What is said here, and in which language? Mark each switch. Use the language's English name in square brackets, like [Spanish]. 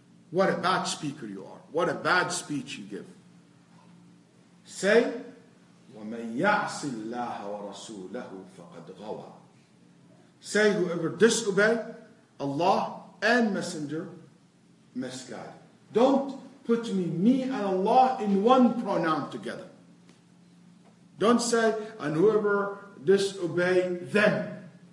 [English] What a bad speaker you are. What a bad speech you give. Say, [Arabic] وَمَنْ يَعْصِ اللَّهَ وَرَسُولَهُ فَقَدْ غَوَى. [English] Say, whoever disobey Allah and Messenger, misguided. Don't put me and Allah in one pronoun together. Don't say, and whoever disobey them.